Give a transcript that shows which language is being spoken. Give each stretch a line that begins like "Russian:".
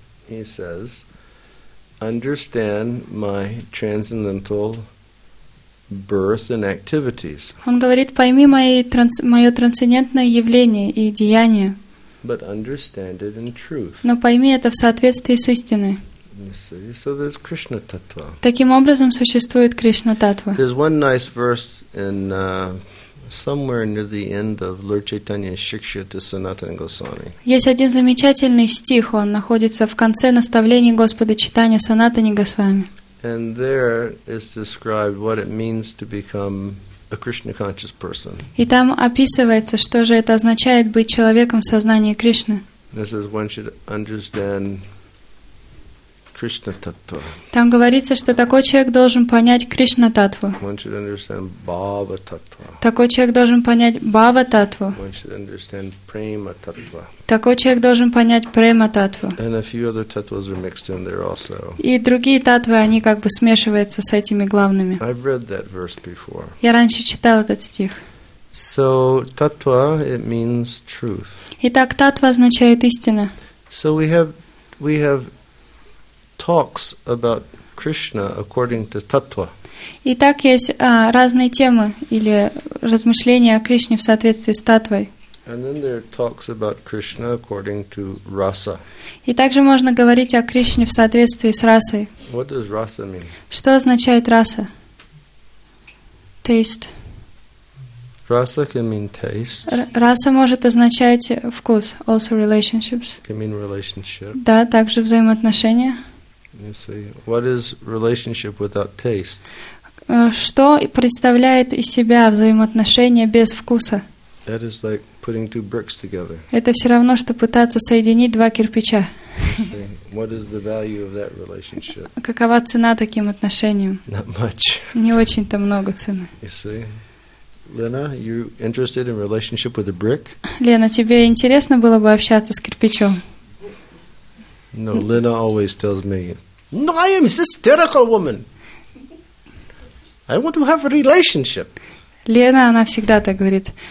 English: He says, understand my transcendental birth and activities.
Russian: Он говорит, пойми моё трансцендентное явление и деяния.
English: But understand it in truth.
Russian: Но пойми это в соответствии с истиной.
English: So there's Krishna tattva.
Russian: Таким образом существует Кришна таттва.
English: There's one nice verse in somewhere near the end of Lord Chaitanya's Shikshita Sanatana Goswami.
Russian: Есть один замечательный стих, он находится в конце наставлений Господа Чайтаньи Санатани Госвами.
English: And there is described what it means to become a Krishna conscious person.
Russian: И там описывается, что же это означает быть человеком в сознании Кришны.
English: This is one should understand Krishna tattva.
Russian: Там говорится, что такой человек должен понять Кришна таттву.
English: One should understand Bhava tattva.
Russian: Такой человек должен понять Бхава таттву.
English: One should understand Prema tattva.
Russian: Такой человек должен понять Према таттву.
English: And a few other tattvas are mixed in there also.
Russian: И другие таттвы, они как бы смешиваются с этими главными.
English: I've read that verse before.
Russian: Я раньше читал этот стих.
English: So tattva, it means truth.
Russian: Итак, таттва означает истина.
English: So we have talks about Krishna according to tattva.
Russian: Итак, есть разные темы или размышления о Кришне в соответствии с таттвой.
English: And then there are talks about Krishna according to rasa.
Russian: И также можно говорить о Кришне в соответствии с расой.
English: What does rasa mean?
Russian: Что означает раса? Taste.
English: Rasa can mean taste.
Russian: Раса может означать вкус.
English: Also relationships. Can mean relationship.
Russian: Да, также взаимоотношения.
English: You see, what is relationship without taste?
Russian: Что представляет из себя взаимоотношения без вкуса?
English: That is like putting two bricks together.
Russian: Это все равно, что пытаться соединить два кирпича.
English: What is the value of that relationship?
Russian: Какова цена таким отношениям?
English: Not much.
Russian: Не очень-то много цены.
English: You see, Lena, you interested in relationship with a brick?
Russian: Лена, тебе интересно было бы общаться с кирпичом?
English: No, Lena always tells me, "No, I am a hysterical woman. I want to have a relationship."
Russian: Лена, она всегда так говорит.